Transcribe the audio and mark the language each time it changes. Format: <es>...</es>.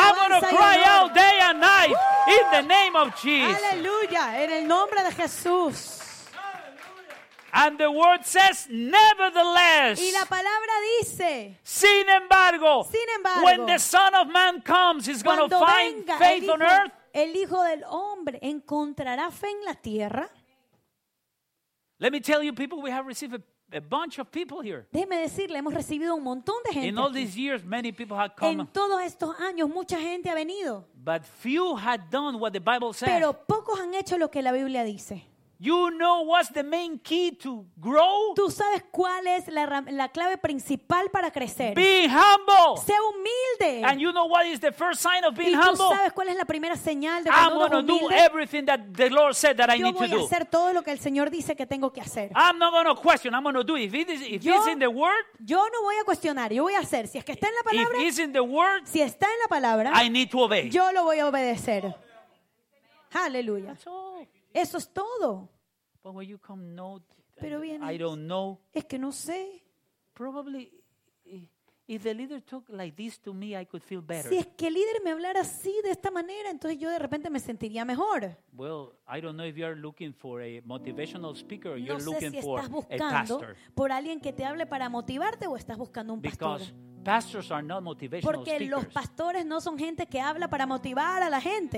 <en>I'm going to cry out day and night woo! In the name of Jesus.</en> <es>Hallelujah. En el nombre de Jesús.</es> <en>And the word says, nevertheless.</en> <es>Y la palabra dice. Sin embargo.</es> <en>When the Son of Man comes, he's going to find faith on earth.</en> <es>El hijo del hombre encontrará fe en la tierra.</es> <en>Let me tell you, people, we have received a bunch of people here.</en> <es>Déjeme decirle, hemos recibido un montón de gente.</es> <en>In all these years, many people have come.</en> <es>En todos estos años, mucha gente ha venido.</es> <en>But few had done what the Bible says.</en> <es>Pero pocos han hecho lo que la Biblia dice.</es> <en>You know what's the main key to grow?</en> <es>¿Tú sabes cuál es la clave principal para crecer?</es> <en>Be humble.</en> <es>Sé humilde.</es> <en>And you know what is the first sign of being humble?</en> <es>¿Y tú sabes cuál es la primera señal de cuando uno es humilde?</es> <en>I'm going to do everything that the Lord said that</en> <es>yo</es> <en>I need to do.</en> <es>Yo voy a hacer todo lo que el Señor dice que tengo que hacer.</es> <en>I'm not going to question. I'm going to do it. If it's in the word.</en> <es>Yo no voy a cuestionar. Yo voy a hacer. Si es que está en la palabra.</es> <en>If it's in the word.</en> <es>Si está en la palabra.</es> <en>I need to obey.</en> <es>Yo lo voy a obedecer. Aleluya. Eso es todo.</es> <en>But when you come, no,</en> <es>pero viene,</es> <en>I don't know.</en> <es>Es que no sé.</es> <en>Probably, if the leader talked like this to me, I could feel better.</en> <es>Si es que el líder me hablara así de esta manera, entonces yo de repente me sentiría mejor.</es> <en>Well, I don't know if you're looking for a motivational speaker or you're</en> <es>no sé</es> <en>looking</en> <es>si</es> <en>for</en> <es>estás buscando por alguien que te hable para motivarte o estás buscando un</es> <en>Because</en> <es>pastor.</es> <en>Pastors are not motivational</en> <es>Porque</es> <en>speakers.</en> <es>Los pastores no son gente que habla para motivar a la gente.</es>